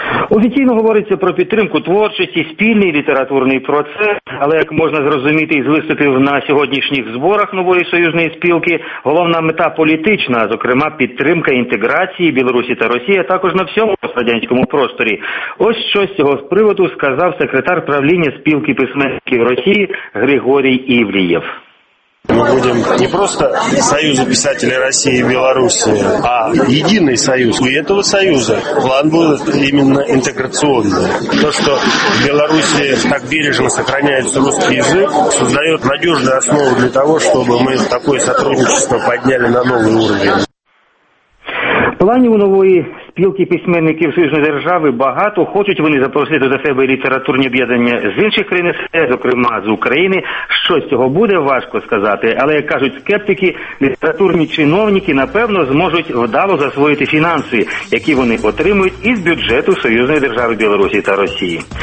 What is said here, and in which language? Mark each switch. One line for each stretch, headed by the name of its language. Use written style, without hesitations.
Ukrainian: Офіційно говориться про підтримку творчості, спільний літературний процес, але, як можна зрозуміти із виступів на сьогоднішніх зборах нової союзної спілки, головна мета політична, зокрема підтримка інтеграції Білорусі та Росії, а також на всьому пострадянському просторі. Ось що з цього приводу сказав секретар правління спілки письменників Росії Григорій Івлієв.
Russian: Мы будем не просто союзу писателей России и Белоруссии, а единый союз. У этого союза план будет именно интеграционный. То, что в Белоруссии так бережно сохраняется русский язык, создает надежную основу для того, чтобы мы такое сотрудничество подняли на новый уровень.
Ukrainian: Плані у нової спілки письменників Союзної держави багато. Хочуть вони запросити до себе літературні об'єднання з інших країн, зокрема з України. Що з цього буде, важко сказати. Але, як кажуть скептики, літературні чиновники, напевно, зможуть вдало засвоїти фінанси, які вони отримують із бюджету Союзної держави Білорусі та Росії.